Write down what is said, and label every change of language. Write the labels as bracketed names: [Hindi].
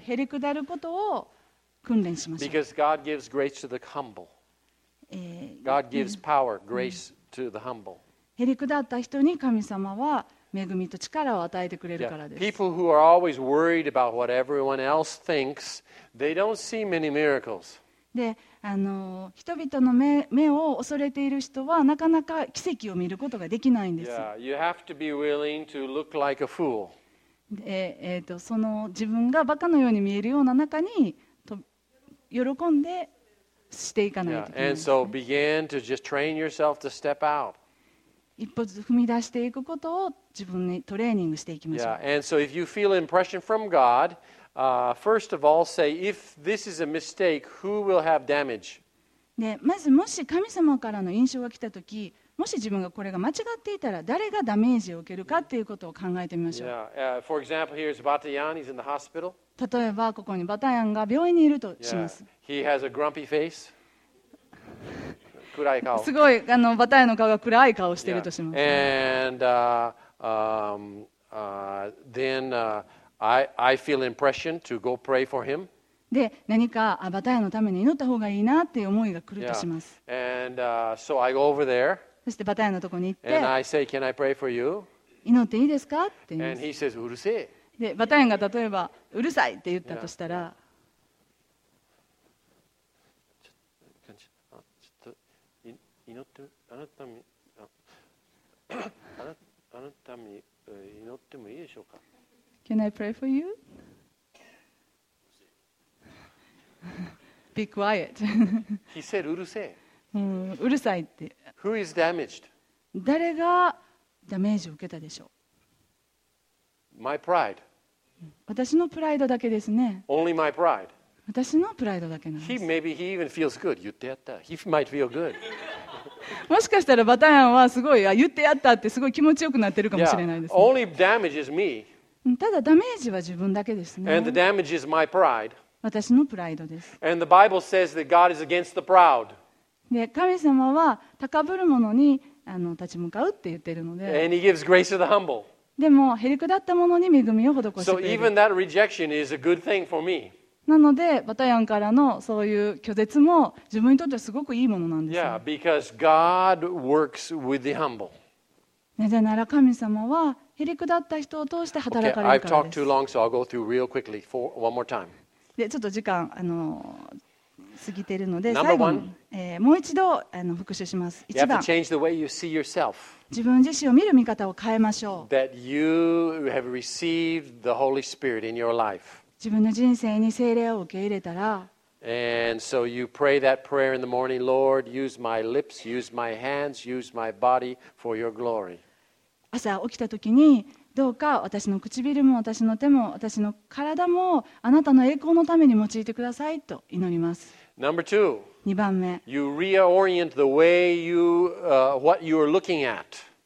[Japanese] へりくだることを訓練しましょう。 [English] Because God gives grace to the humble. God gives power, grace to the humble. [Japanese] へりくだった人に神様は恵みと力を与えてくれるからです。 Yeah. [English] People who are always worried about what everyone else thinks, they don't see many miracles. [Japanese] で、人々の 目を恐れている人はなかなか奇跡を見ることができないんです。 Yeah. [English] You have to be willing to look like a fool. [Japanese] で、その自分がバカのように見えるような中に喜んでしていかないといけないですね。 [English] And so begin to just train yourself to step out. [Japanese] 一歩ずつ踏み出していくことを自分にトレーニングしていきましょう。 [English] Yeah, and so if you feel impression from God, first of all, say, if this is a mistake, who will have damage? [Japanese] で、まずもし神様からの印象が来たとき、もし自分がこれが間違っていたら誰がダメージを受けるかっていうことを考えてみましょう。 [English] Yeah, for example, here's Batayan, he's in the hospital. [Japanese] 例えばここにバタヤンが病院にいるとします。 [English] Yeah, he has a grumpy face. [Japanese] 暗い顔。すごいあのバタヤンの顔が暗い顔をしているとします。 Yeah. [English] And then I feel impression to go pray for him. [Japanese] で何かアバタヤのために祈った方がいいなっていう思いが来るとします、 [English] yeah. And, so、I go over there, [Japanese] そしてバタヤのとこに行って [English] and I say, Can I pray for you? [Japanese] 祈っていいですかって言います [English] and he says, [Japanese] うるせえでバタヤが例えばうるさいって言ったとしたら、 yeah. ちょっと祈ってあなたためにあなたために祈ってもいいでしょうか [English] Can I pray for you? Be quiet. He said, [Japanese] うるせえ。うるさいって。 [English] Who is damaged? [Japanese] 誰がダメージを受けたでしょう? [English] My pride. [Japanese] 私のプライドだけですね。 [English] Only my pride. [Japanese] 私のプライドだけなんです。 [English] He, maybe he even feels good. [Japanese] 言ってやった。 [English] He might feel good. [Japanese] もしかしたらバタヤンはすごい、あ、言ってやったってすごい気持ちよくなってるかもしれないですね。 [English] Yeah. Only damage is me. [Japanese] ただダメージは自分だけですね。 [English] And the damage is my pride. [Japanese] 私のプライドです。 [English] And the Bible says that God is against the proud. [Japanese] で、神様は高ぶる者に立ち向かうって言ってるので。 [English] And he gives grace to the humble. [Japanese] でも、へりくだった者に恵みを施してくれる。 [English] So even that rejection is a good thing for me. [Japanese] なので、バタヤンからのそういう拒絶も自分にとってはすごくいいものなんですね。 [English] Yeah, because God works with the humble. [Japanese] なぜなら神様はへりくだった人を通して働かれるからです。 [English] Okay, I've talked too long, so I'll go through real quickly for one more time. [Japanese] でちょっと時間過ぎているので最後に、もう一度復習します。 1番 [English] you have to change the way you see yourself. [Japanese] 自分自身を見る見方を変えましょう。 [English] That you have received the Holy Spirit in your life. [Japanese] 自分の人生に聖霊を受け入れたら [English] And so you pray that prayer in the morning, Lord, use my lips, use my hands, use my body for your glory. [Japanese] 朝起きた時にどうか私の唇も私の手も私の体もあなたの栄光のために用いてくださいと祈ります。 [English] Number two, [Japanese] 2番目 [English] You reorient the way you, what you are looking at.